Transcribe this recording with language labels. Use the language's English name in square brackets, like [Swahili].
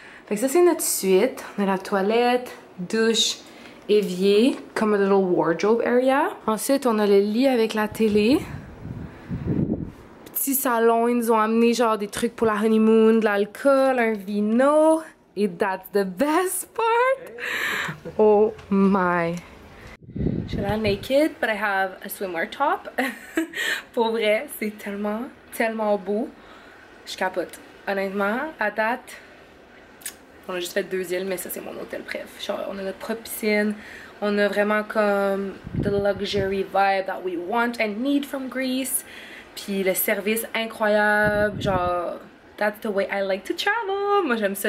[French] Fait que ça c'est notre suite, on a la toilette, douche, évier, comme [English] a little wardrobe area. [French] Ensuite on a le lit avec la télé. Petit salon, ils nous ont amené genre des trucs pour la honeymoon, de l'alcool, un vino. [English] Et that's the best part! Oh my! [French] Je suis là [English] naked, but I have a swimwear top. [French] Pour vrai, c'est tellement, tellement beau. Je capote. Honnêtement, à date, on a juste fait deux îles, mais ça c'est mon hôtel. Bref, genre, on a notre propre piscine. On a vraiment comme [English] the luxury vibe that we want and need from Greece. [French] Puis le service incroyable, genre... [English] That's the way I like to travel. [French] Moi j'aime ça.